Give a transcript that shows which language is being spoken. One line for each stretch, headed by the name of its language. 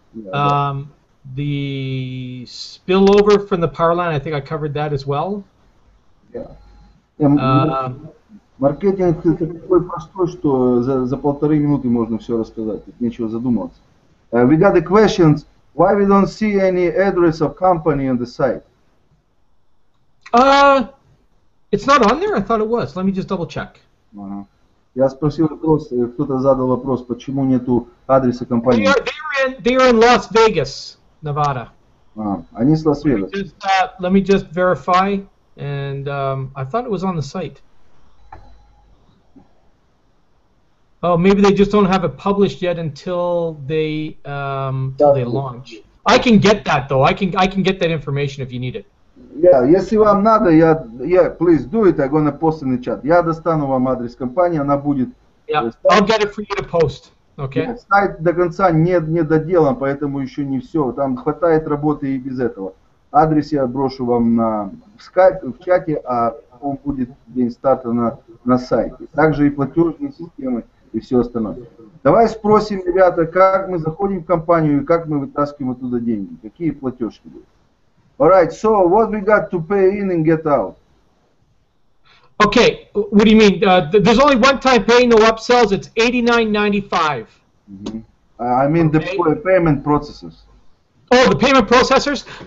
English: Yeah, the spillover from the power line, I think I covered that as well. Yeah.
Russian: Маркетинг такой простой, что за полторы минуты можно все рассказать. Тут нечего задумываться.
English: We got the questions. Why we don't see any address of company on the site? It's not on there? I thought it was. Let me just double check.
Russian: Я спросил вопрос, кто-то задал вопрос, почему нету адреса компании.
English: They are in Las Vegas, Nevada.
Russian: Они с Лас-Вегас.
English: Let me just verify, and I thought it was on the site. Oh, maybe they just don't have it published yet until they launch. I can get that, though. I can get that information if you need it. Yeah,
Russian: если вам надо, я
English: please do it, I'm gonna post in the chat.
Russian: Я достану вам адрес компании, она будет.
English: Yeah, I'll get it for you to post. Okay. Yeah,
Russian: сайт до конца не доделан, поэтому еще не все. Там хватает работы и без этого. Адрес я брошу вам в Skype, в чате, а он будет день старта на сайте. Также и платежные системы и все остальное. Давай спросим, ребята, как мы заходим в компанию и как мы вытаскиваем оттуда деньги. Какие платежки будут?
English: All right, so what we got to pay in and get out? Okay, what do you mean? There's only one time pay, no upsells. It's $89.95. Mm-hmm. I mean okay. The payment processors. Oh, the payment processors?